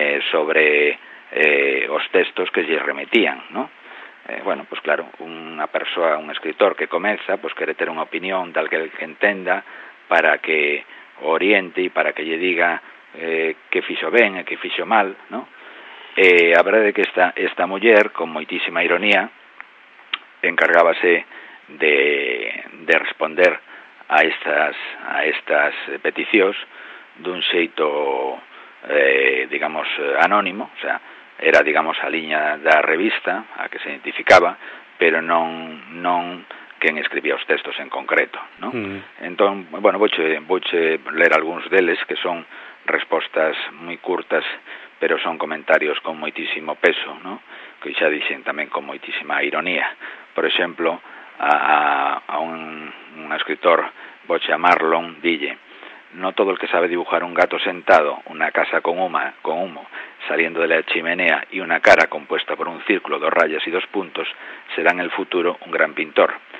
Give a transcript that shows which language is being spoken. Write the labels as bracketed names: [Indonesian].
[Galician] Sobre os textos que lles remetían, ¿no? Bueno, pues claro, unha persoa, un escritor que comeza, pues quere ter unha opinión de alguén que entenda para que o Oriente e para que lle diga que fixo ben e que fixo mal, ¿no? A verdade é que esta muller, con moitísima ironía, encargábase de responder a estas peticións dun xeito, digamos, anónimo, o sea, era, digamos, a liña da revista a que se identificaba, pero non quen escribía os textos en concreto, ¿no? Entón, bueno, vouche ler algúns deles, que son respostas moi curtas, pero son comentarios con moitísimo peso, ¿no? Que xa dixen tamén con moitísima ironía. Por exemplo, a un escritor, vouche a Marlon, dille: [Spanish] "No todo el que sabe dibujar un gato sentado, una casa con humo saliendo de la chimenea y una cara compuesta por un círculo, dos rayas y dos puntos, será en el futuro un gran pintor.